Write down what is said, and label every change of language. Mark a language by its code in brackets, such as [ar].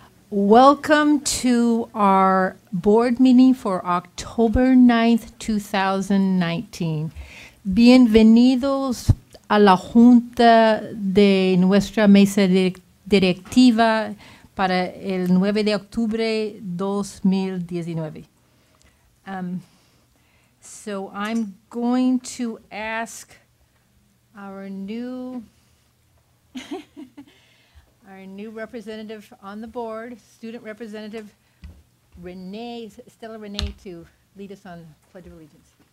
[en] Welcome to our board meeting for October 9th, 2019. [es] Bienvenidos a la junta de nuestra mesa directiva para el 9 de octubre 2019. [en] So I'm going to ask our new representative on the board, student representative Stella Renee, to lead us on Pledge of Allegiance.